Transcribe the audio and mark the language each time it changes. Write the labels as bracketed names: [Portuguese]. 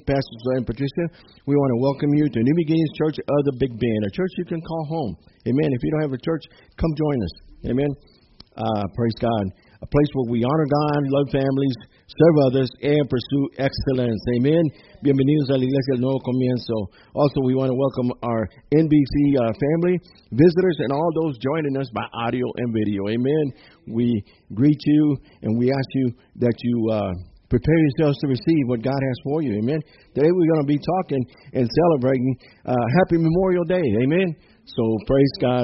[English] Pastor Zoe and Patricia, we want to welcome you to New Beginnings Church of the Big Bend, a church you can call home. Amen. If you don't have a church, come join us. Amen. Praise God. A place where we honor God, love families, serve others, and pursue excellence. Amen. [Spanish] Bienvenidos a la Iglesia del Nuevo Comienzo. [English] Also, we want to welcome our NBC family, visitors, and all those joining us by audio and video. Amen. We greet you, and we ask you that you prepare yourselves to receive what God has for you. Amen. Today, we're going to be talking and celebrating Happy Memorial Day. Amen. So, praise God.